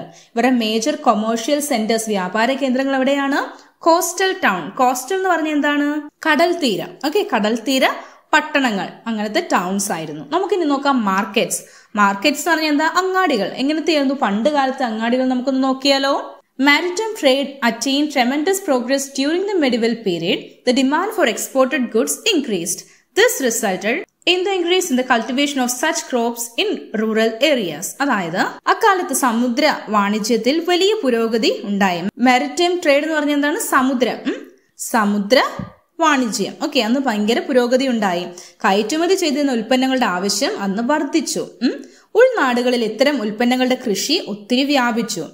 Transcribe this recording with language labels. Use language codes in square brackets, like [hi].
[ml] ഇവരുടെ major commercial centres, വ്യാപാര കേന്ദ്രങ്ങൾ എവിടെയാണ്? Coastal town. കോസ്റ്റൽ എന്ന് പറഞ്ഞാൽ എന്താണ്? കടൽത്തീരം. ഓക്കെ, കടൽത്തീര പട്ടണങ്ങൾ, അങ്ങനത്തെ ടൗൺസ് ആയിരുന്നു. നമുക്കിനി നോക്കാം മാർക്കറ്റ്സ്. മാർക്കറ്റ്സ് പറഞ്ഞാൽ എന്താ? അങ്ങാടികൾ. എങ്ങനത്തെ ആയിരുന്നു പണ്ട് കാലത്തെ അങ്ങാടികൾ നമുക്കൊന്ന് നോക്കിയാലോ. [en] Maritime trade attained tremendous progress during the medieval period. The demand for exported goods increased. This resulted in the increase in the cultivation of such crops in rural areas. [ml] അതായത് അക്കാലത്ത് സമുദ്ര വാണിജ്യത്തിൽ വലിയ പുരോഗതി ഉണ്ടായി. Maritime trade എന്ന് പറഞ്ഞാൽ എന്താണ്? സമുദ്രം, സമുദ്ര വാണിജ്യം. ഓക്കെ, അന്ന് ഭയങ്കര പുരോഗതി ഉണ്ടായി. കയറ്റുമതി ചെയ്തിരുന്ന ഉൽപ്പന്നങ്ങളുടെ ആവശ്യം അന്ന് വർദ്ധിച്ചു. ഉൾനാടുകളിൽ ഇത്തരം ഉൽപ്പന്നങ്ങളുടെ കൃഷി ഒത്തിരി വ്യാപിച്ചു.